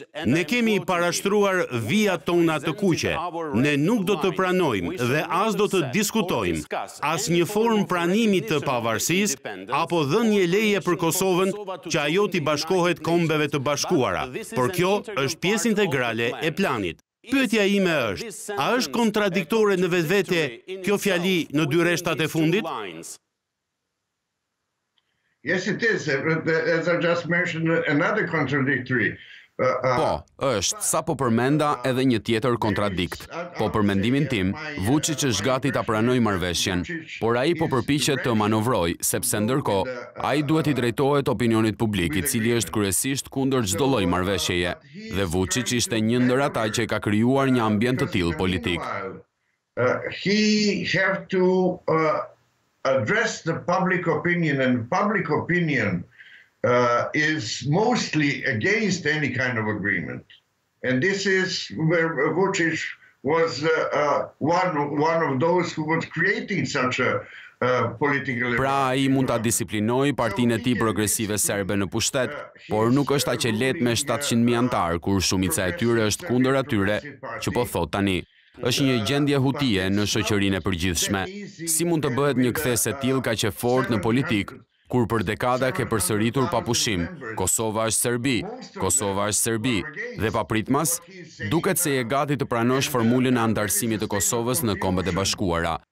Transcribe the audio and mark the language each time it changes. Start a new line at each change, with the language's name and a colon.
Albanian: Ne kemi parashtruar vijat tona të kuqe. Ne nuk do të pranojmë dhe as do të diskutojmë asnjë formë pranimi të pavarësisë apo dhënje leje për Kosovën që ajo të bashkohet Kombeve të Bashkuara. Por kjo është pjesë integrale e planit. Pyetja ime është, a është kontradiktore në vetvete kjo fjali në dy rreshtat e fundit?
English: Yes it is, as I just mentioned, another contradictory.
Albanian: Po, është, sa po përmenda, edhe një tjetër kontradikt. Po përmendimin tim, Vučić është gati ta pranoj marrëveshjen, por ai po përpiqet të manovroj, sepse ndërkohë ai duhet i drejtohet opinionit publik, i cili është kryesisht kundër çdo lloj marrëveshjeje, dhe Vučić ishte një ndër ata që ka krijuar një ambient të tillë politik.
English: He have to address the public opinion, and public opinion is mostly against any kind of agreement, and this is where Vučić was one of those who was creating such a political.
Albanian: Pra ai mund ta disiplinoj partinë e tij progresive serbe në pushtet, por nuk është aq e lehtë me 700.000 anëtar kur shumica e tyre është kundër atyre që po thot tani. Është një gjendje hutie në shoqërinë e përgjithshme. Si mund të bëhet një kthesë e tillë kaq e fortë në politik, kur për dekada ke përsëritur pa pushim, Kosova është Serbi, Kosova është Serbi, dhe pa pritmas, duket se je gati të pranosh formulën e antarësimit të Kosovës në Kombet e Bashkuara.